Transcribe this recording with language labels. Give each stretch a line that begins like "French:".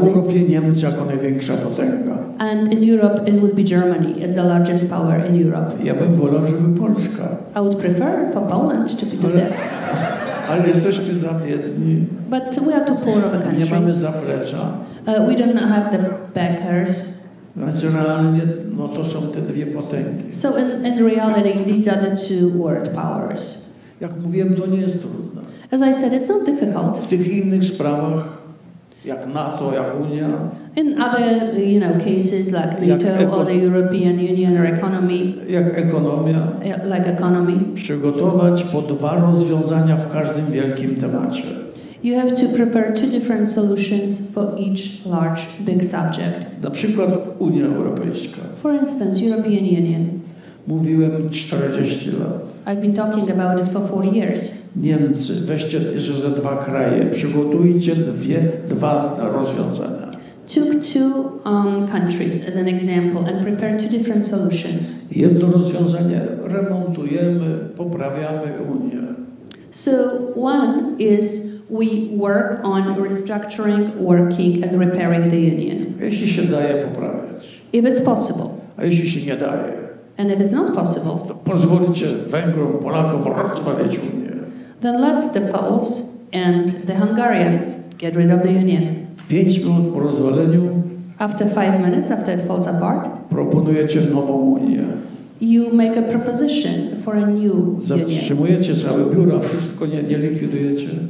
Polish: W Europie Niemcy jako największa potęga.
English: And in Europe, it would be Germany as the largest power in Europe.
Polish: Ja bym wolał, żeby Polska.
English: I would prefer for Poland to be there.
Polish: Ale jesteśmy za biedni.
English: But we are too poor of a country.
Polish: Nie mamy zaplecza.
English: We don't have the backers.
Polish: Realnie, no to są te dwie potęgi.
English: So in reality, these are the two world powers.
Polish: Jak mówiłem, to nie jest trudne.
English: As I said, it's not difficult.
Polish: W tych innych sprawach, jak NATO, jak Unia.
English: In other, you know, cases like NATO or the European Union or economy.
Polish: Jak ekonomia.
English: Like economy.
Polish: Przygotować po dwa rozwiązania w każdym wielkim temacie.
English: You have to prepare two different solutions for each large, big subject.
Polish: Na przykład Unia Europejska.
English: For instance, European Union.
Polish: Mówiłem 40 lat.
English: I've been talking about it for 40 years.
Polish: Niemcy, weźcie jeszcze za dwa kraje, przygotujcie dwa rozwiązania.
English: took two countries as an example and prepared two different solutions.
Polish: Jedno rozwiązanie remontujemy, poprawiamy Unię.
English: So one is we work on restructuring, working and repairing the Union.
Polish: Jeśli się daje poprawiać.
English: If it's possible.
Polish: A jeśli się nie daje.
English: And if it's not possible.
Polish: To pozwolicie Węgrom, Polakom rozpadać Unię.
English: Then let the Poles and the Hungarians get rid of the Union.
Polish: 5 minut po rozwaleniu.
English: After 5 minutes, after it falls apart.
Polish: Proponujecie nową Unię.
English: You make a proposition for a new Union.
Polish: Zatrzymujecie całe biura, wszystko nie likwidujecie.